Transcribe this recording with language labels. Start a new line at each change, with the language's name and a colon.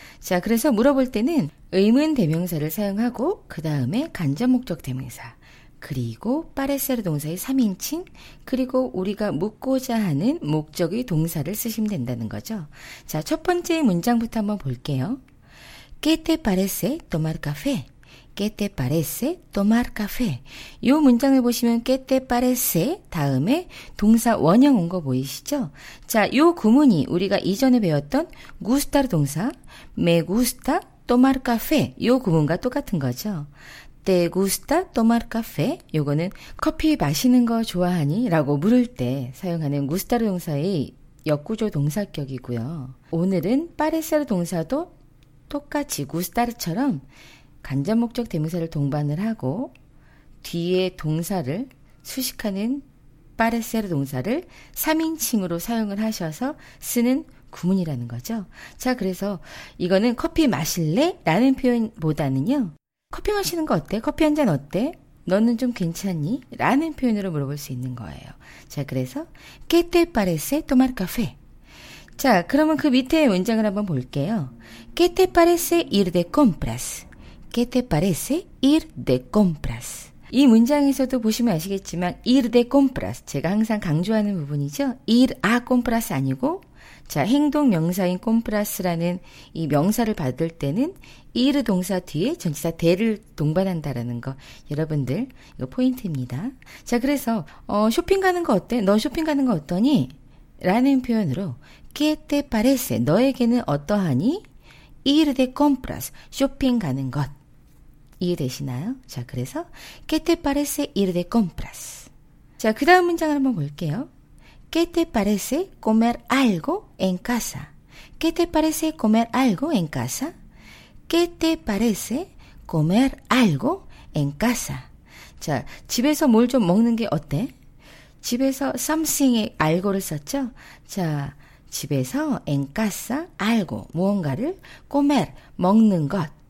Korean: 자, 그래서 물어볼 때는 의문 대명사를 사용하고 그 다음에 간접 목적 대명사 그리고 파레세르 동사의 3인칭 그리고 우리가 묻고자 하는 목적의 동사를 쓰시면 된다는 거죠. 자, 첫 번째 문장부터 한번 볼게요.
Spanish: ¿Qué te parece tomar café? ¿Qué te parece tomar café?
Korean: 이 문장을 보시면
Spanish: ¿Qué te parece?
Korean: 다음에 동사 원형 온 거 보이시죠? 자, 이 구문이 우리가 이전에 배웠던 gustar 동사
Spanish: me gusta tomar café
Korean: 이 구문과 똑같은 거죠.
Spanish: ¿Te gusta tomar café?
Korean: 이거는 커피 마시는 거 좋아하니? 라고 물을 때 사용하는 gustar 동사의 역구조 동사격이고요. 오늘은 parecer 동사도 똑같이 gustar처럼 간접 목적 대명사를 동반을 하고 뒤에 동사를 수식하는 파레세르 동사를 3인칭으로 사용을 하셔서 쓰는 구문이라는 거죠. 자, 그래서 이거는 커피 마실래? 라는 표현보다는요. 커피 마시는 거 어때? 커피 한 잔 어때? 너는 좀 괜찮니? 라는 표현으로 물어볼 수 있는 거예요. 자, 그래서
Spanish: ¿Qué te parece tomar café?
Korean: 자, 그러면 그 밑에 문장을 한번 볼게요.
Spanish: ¿Qué te parece ir de compras? ¿Qué te parece ir de compras?
Korean: 이 문장에서도 보시면 아시겠지만
Spanish: ir de compras,
Korean: 제가 항상 강조하는 부분이죠.
Spanish: ir a compras
Korean: 아니고 자 행동 명사인 compras라는 이 명사를 받을 때는 ir 동사 뒤에 전치사 de를 동반한다라는 거 여러분들 이거 포인트입니다. 자 그래서 쇼핑 가는 거 어때? 너 쇼핑 가는 거 어떠니? 라는 표현으로
Spanish: ¿Qué te parece?
Korean: 너에게는 어떠하니?
Spanish: ir de compras,
Korean: 쇼핑 가는 것. 이해되시나요? 자, 그래서
Spanish: ¿Qué te parece ir de compras?
Korean: 자, 그 다음 문장을 한번 볼게요.
Spanish: ¿Qué te parece comer algo en casa? ¿Qué te parece comer algo en casa? ¿Qué te parece comer algo en casa?
Korean: 자, 집에서 뭘 좀 먹는 게 어때? 집에서 something에 algo를 썼죠? 자, 집에서 en casa algo, 무언가를 comer, 먹는 것.